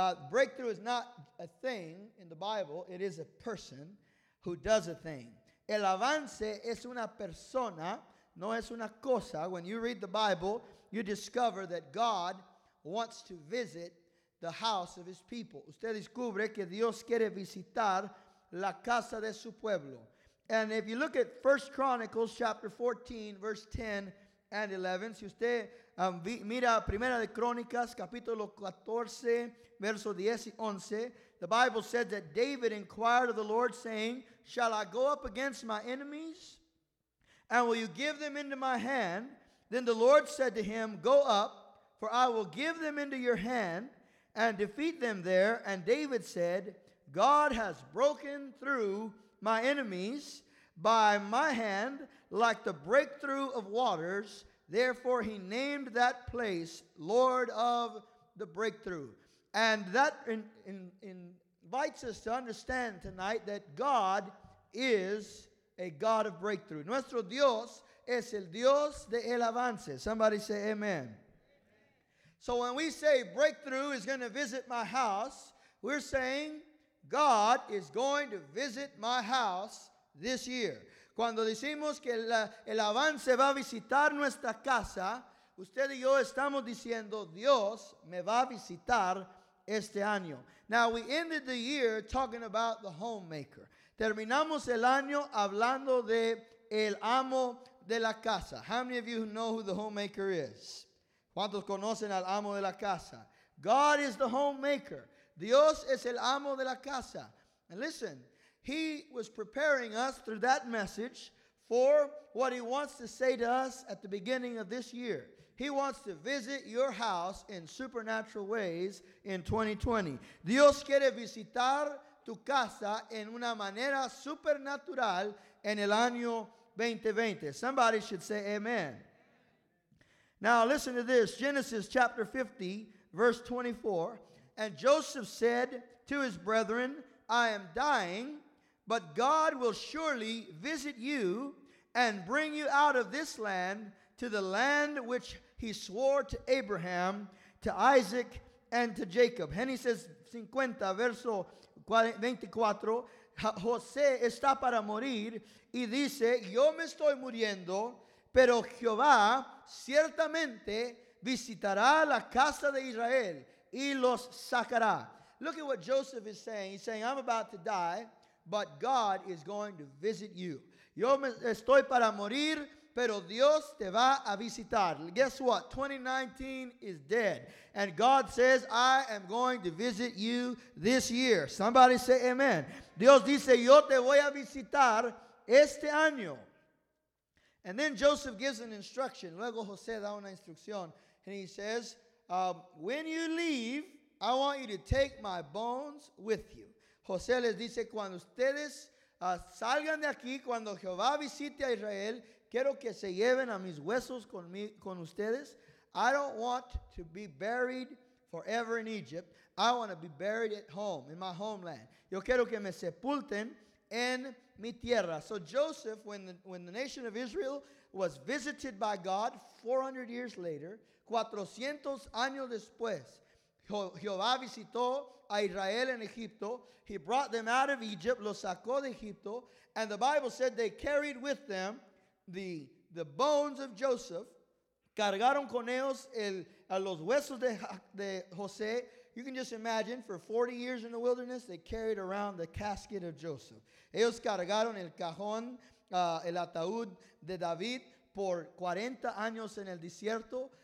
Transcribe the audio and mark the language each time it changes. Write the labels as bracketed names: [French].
[English] Breakthrough is not a thing in the Bible. It is a person who does a thing. [Spanish] El avance es una persona. No es una cosa. [English] When you read the Bible, you discover that God wants to visit the house of his people. [Spanish] Usted descubre que Dios quiere visitar la casa de su pueblo. [English] And if you look at 1 Chronicles chapter 14, verse 10 and 11, [Spanish] si usted mira Primera de Crónicas, capítulo 14, verso 10 y 11, [English] the Bible said that David inquired of the Lord, saying, shall I go up against my enemies? And will you give them into my hand? Then the Lord said to him, go up, for I will give them into your hand and defeat them there. And David said, God has broken through my enemies by my hand like the breakthrough of waters. Therefore, he named that place Lord of the Breakthrough. And that invites us to understand tonight that God is a God of breakthrough. [Spanish] Nuestro Dios es el Dios de el avance. [English] Somebody say amen. Amen. So when we say breakthrough is going to visit my house, we're saying God is going to visit my house this year. [Spanish] Cuando decimos que el avance va a visitar nuestra casa, usted y yo estamos diciendo Dios me va a visitar este año. [English] Now we ended the year talking about the homemaker. [Spanish] Terminamos el año hablando de el amo de la casa. [English] How many of you know who the homemaker is? [Spanish] ¿Cuántos conocen al amo de la casa? [English] God is the homemaker. [Spanish] Dios es el amo de la casa. [English] And listen, he was preparing us through that message for what he wants to say to us at the beginning of this year. He wants to visit your house in supernatural ways in 2020. [Spanish] Dios quiere visitar tu casa en una manera supernatural en el año 2020. [English] Somebody should say amen. Now listen to this. Genesis chapter 50, verse 24. And Joseph said to his brethren, I am dying, but God will surely visit you and bring you out of this land to the land which he swore to Abraham, to Isaac, and to Jacob. [Spanish] Génesis 50, verso 24. José está para morir y dice, yo me estoy muriendo, pero Jehová ciertamente visitará la casa de Israel y los sacará. [English] Look at what Joseph is saying. He's saying, I'm about to die, but God is going to visit you. [Spanish] Yo me estoy para morir, pero Dios te va a visitar. [English] Guess what? 2019 is dead. And God says, I am going to visit you this year. Somebody say amen. [Spanish] Dios dice, yo te voy a visitar este año. [English] And then Joseph gives an instruction. [Spanish] Luego José da una instrucción. [English] And he says, when you leave, I want you to take my bones with you. [Spanish] José les dice, cuando ustedes salgan de aquí, cuando Jehová visite a Israel, quiero que se lleven a mis huesos con ustedes. [English] I don't want to be buried forever in Egypt. I want to be buried at home, in my homeland. [Spanish] Yo quiero que me sepulten en mi tierra. [English] So Joseph, when the nation of Israel was visited by God 400 years later, [Spanish] 400 años después, Jehová visitó a Israel en Egipto. [English] He brought them out of Egypt, [Spanish] los sacó de Egipto, [English] and the Bible said they carried with them the bones of Joseph, [Spanish] cargaron con ellos los huesos de José. [English] You can just imagine, for 40 years in the wilderness, they carried around the casket of Joseph. [Spanish] Ellos cargaron el cajón, el ataúd de David, por 40 años en el desierto.